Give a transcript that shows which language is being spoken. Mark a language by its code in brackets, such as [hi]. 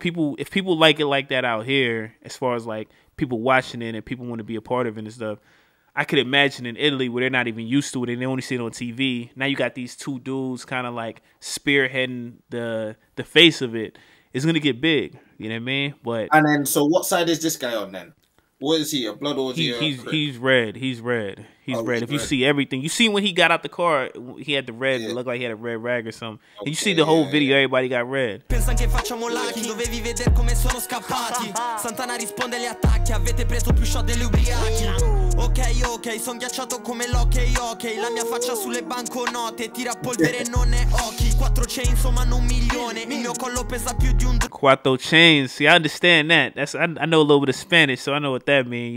[en] People, if people like it like that out here, as far as, like, people watching it and people want to be a part of it and stuff, I could imagine in Italy where they're not even used to it and they only see it on TV, now you got these two dudes kind of, like, spearheading the face of it. It's going to get big, you know what I mean? But, and then, so what side is this guy on then? What is he, a Blood or He's red. If you see everything. You see when he got out the car, he had the red. Yeah. It looked like he had a red rag or something. Okay, and you see the whole video, everybody got red. [it] Pensa che facciamo lucky, dovevi vedere come sono scappati. Santana risponde agli attacchi, avete preso più shot degli ubriachi. Ok, son ghiacciato come l'hockey, ok. La mia faccia sulle banconote, tira polvere non è occhi. Quattro chain, insomma, non un milione. Il mio collo pesa più di un... [en] Quattro chains. See, I understand that. I know a little bit of Spanish, so I know what that means.